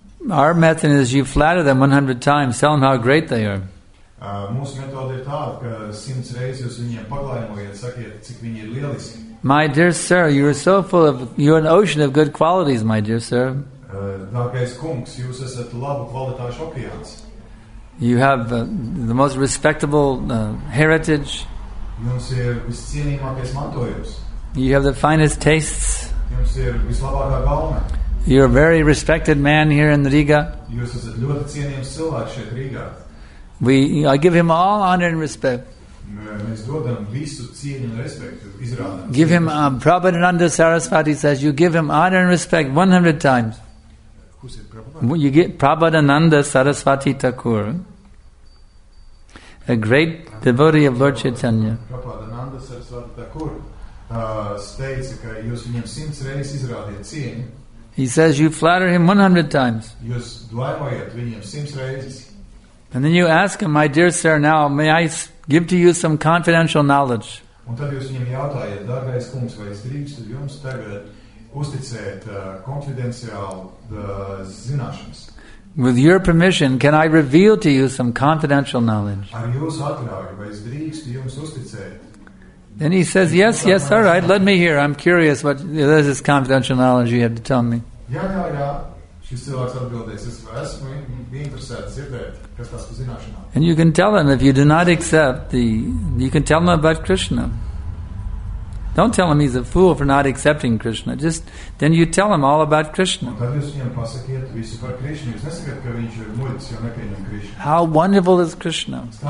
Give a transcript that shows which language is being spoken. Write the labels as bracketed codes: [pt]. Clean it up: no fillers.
[en] Our method is you flatter them 100 times, tell them how great they are. My dear sir, you are so full of, you are an ocean of good qualities, my dear sir. [lv] Dārgais kungs, jūs esat labu kvalitāšu okeāns. [en] You have the most respectable heritage. [lv] Jums ir viscienīgākais mantojums. [en] You have the finest tastes. [lv] Jums ir vislabākā gaume. [en] You're a very respected man here in Riga. [lv] Jūs esat ļoti cienījams cilvēks šeit Rīgā. [en] I give him all honor and respect. [lv] Mēs dodam visu cieņu un respektu Izrādam. [en] Give him, Prabhupada Sarasvati says, you give him honor and respect 100 times. You get Prabhadananda Sarasvati Thakur, a great devotee of Lord Chaitanya. Prabhadananda Sarasvati Thakur states that you give him 100 [lv] reizes izrādīt cieņu. [en] He says you flatter him 100 times. [lv] Jūs dvaimojat viņam 100 reizes. [en] And then you ask him, my dear sir, now may I give to you some confidential knowledge? [lv] Un tad jūs viņam jautājat, dārgais kungs, vai es drīkstu jums tagad uzticēt konfidenciālu zināšanas. [en] With your permission, can I reveal to you some confidential knowledge? [lv] Ar jūsu atļauju, vai es drīkstu jums uzticēt? [en] Then he says, yes, all right, let me hear. I'm curious what is this confidential knowledge you have to tell me. [lv] Jā. Šis cilvēks atbildēs, es esmu interesēts dzirdēt, kas tas par zināšanām. [en] And you can tell him, if you do not accept you can tell him about Krishna. Don't tell him he's a fool for not accepting Krishna. Just then you tell him all about Krishna. How wonderful is Krishna?